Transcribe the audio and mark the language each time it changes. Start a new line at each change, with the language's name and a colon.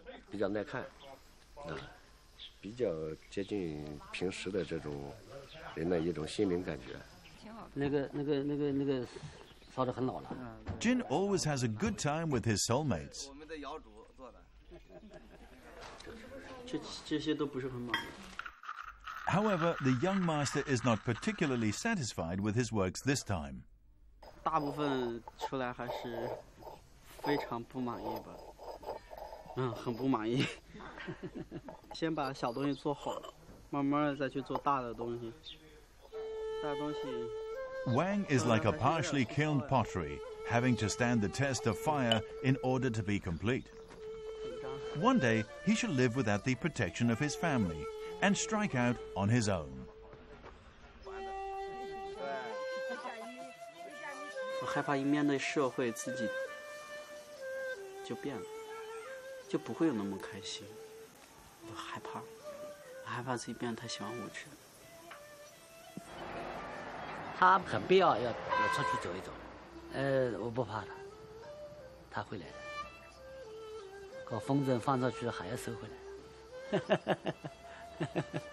Chinese: 比较耐看，比较接近平时的这种人的一种心灵感觉。挺好。那个烧得很老了。
English: Jin always has a good time with his soulmates.
Chinese: 我们的窑主做的。这些都不是很满意。
English: However, the young master is not particularly satisfied with his works this time.
Chinese: 大部分出来还是非常不满意吧，很不满意。先把小东西做好，慢慢的再去做大的东西。大东西
English: Wang is like a partially kilned pottery, having to stand the test of fire in order to be complete. One day, he shall live without the protection of his family and strike out on his own.
Chinese: 搞风筝放出去还要收回来。